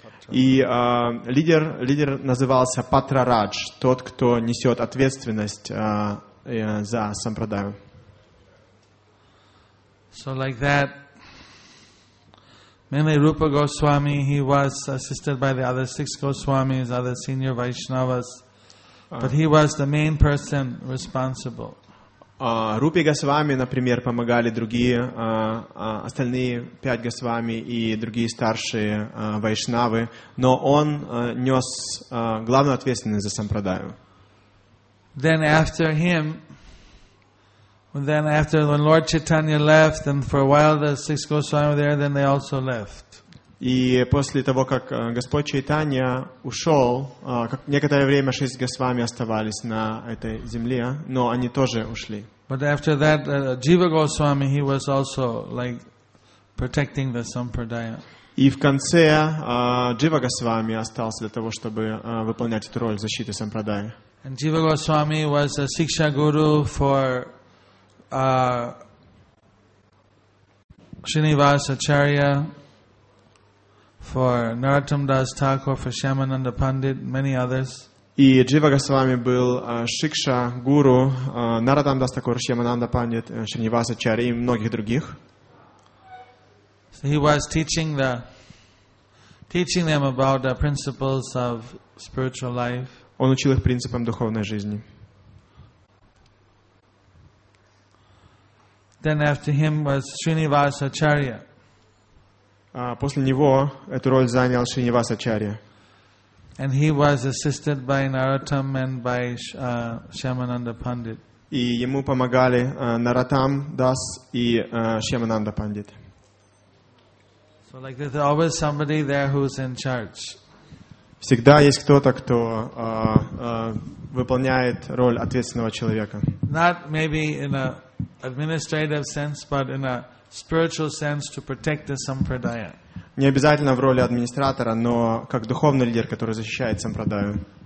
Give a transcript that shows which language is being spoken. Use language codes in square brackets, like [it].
[ru] И лидер назывался Патра Радж, тот, кто несет ответственность за сампрадаю. [en] So like that, mainly Rupa Goswami, he was assisted by the other six Goswamis, other senior Vaishnavas, but he was the main person responsible. [ru] Рупи Госвами, например, помогали другие, остальные пять Госвами и другие старшие вайшнавы, но он нес главную ответственность за сампрадаю. [en] Then after him, then after when Lord Chaitanya left, and for a while the six Goswami were there, then they also left. [ru] И после того, как Господь Чайтанья ушел, некоторое время шесть Госвами оставались на этой земле, но они тоже ушли. [en] But after that, Jiva Goswami, he was also like protecting the sampradaya. [ru] И в конце Jiva Goswami остался для того, чтобы выполнять эту роль защиты сампрадаи. [en] And Jiva Goswami was a siksha guru for Srinivas Acharya, for Narottam Das Thakur, for Shyamananda Pandit, many others. [ru] И Джива Госвами был шикша гуру Нарадам Дас Такур, Шьямананда Пандит, Шринивасы Чари и многих других. [en] So he was teaching them about the principles of spiritual life. [ru] Он учил их принципам духовной жизни. [en] Then after him was Шринивасы Чария. [ru] После него эту роль занял Шринивасы Чария. [en] And he was assisted by Narottam and by Shyamananda Pandit. [ru] И ему помогали Наратам Дас и Шьямананда Пандит. [en] So like that, there's always somebody there who's in charge. [ru] Всегда есть кто-то, кто выполняет роль ответственного человека. [en] Not maybe in an administrative sense, but in a spiritual sense to protect the sampradaya. [ru] Не обязательно в роли администратора, но как духовный лидер, который защищает сампрадаю.